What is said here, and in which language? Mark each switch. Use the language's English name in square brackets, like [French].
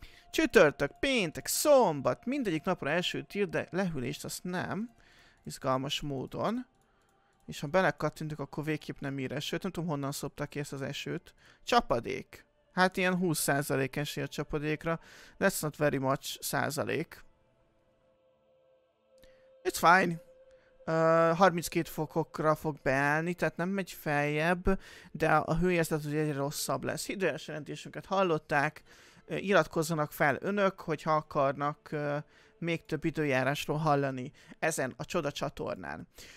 [Hungarian] Csütörtök, péntek, szombat, mindegyik napra esőt ír, de lehűlést azt nem. Izgalmas módon. És ha belekattintok, akkor végképp nem ír esőt. Nem tudom, honnan szoptak ki ezt az esőt. Csapadék. Hát ilyen 20% esély a csapadékra. [English] That's not very much [Hungarian] százalék. [English] It's fine. [Hungarian] 32 fokokra fog beállni, tehát nem megy feljebb, de a hőérzet ugye egyre rosszabb lesz. Hidrojás jelentésünket hallották, iratkozzanak fel önök, hogyha akarnak még több időjárásról hallani ezen a csoda csatornán.